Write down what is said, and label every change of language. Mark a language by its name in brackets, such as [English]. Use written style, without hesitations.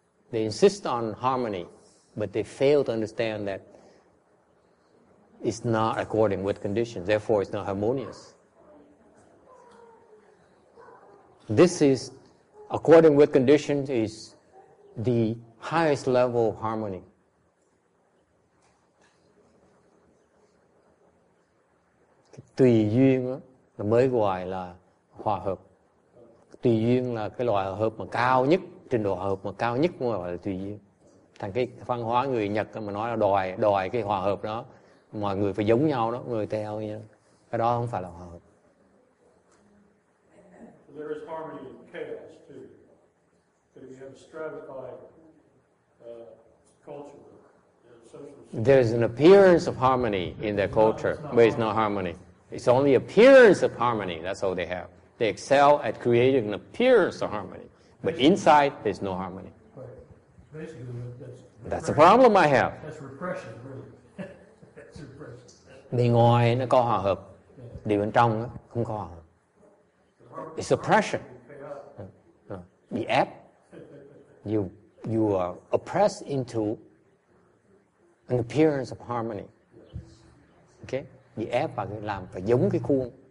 [English] They insist on harmony, but they fail to understand that it's not according with conditions. Therefore, it's not harmonious. This is, according with conditions, is the highest level of harmony. [Vietnamese] Tùy duyên là mới gọi là hòa hợp. Tùy duyên là cái loại hòa hợp mà cao nhất. Trình độ hòa hợp mà cao nhất mà gọi là tùy duyên. Thành cái văn hóa người Nhật mà nói là đòi cái hòa hợp đó, mọi người phải giống nhau đó, người theo như đó. Cái đó không phải là hòa hợp. [English] There is harmony in chaos too. But if you have a stratified culture, social... There is an appearance of harmony in their culture, but it's not harmony. It's only appearance of harmony, that's all they have. They excel at creating an appearance of harmony. But inside, there's no harmony. Basically, that's a problem I have. That's repression, really. That's repression. [Vietnamese] Bên ngoài nó có hòa hợp. Điều bên trong nó không có hòa hợp. [English] It's oppression. [Vietnamese] Bị ép. [English] You are oppressed into an appearance of harmony. Okay? [Vietnamese] Bị ép và làm phải giống cái khuôn.